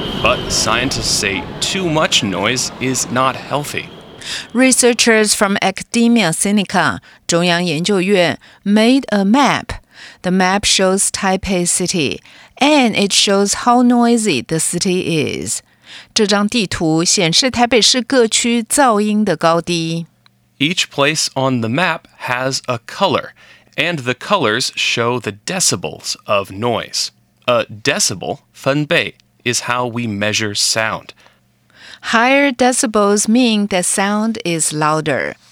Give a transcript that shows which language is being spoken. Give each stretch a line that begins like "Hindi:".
English: But scientists say too much noise is not healthy. Researchers from Academia Sinica, 中央研究院, made a map. The map shows Taipei City, and it shows how noisy the city is.
Chinese: 这张地图显示台北市各区噪音的高低。
English: Each place on the map has a color, and the colors show the decibels of noise. A decibel, 分贝, is how we measure sound. Higher decibels mean the sound is louder.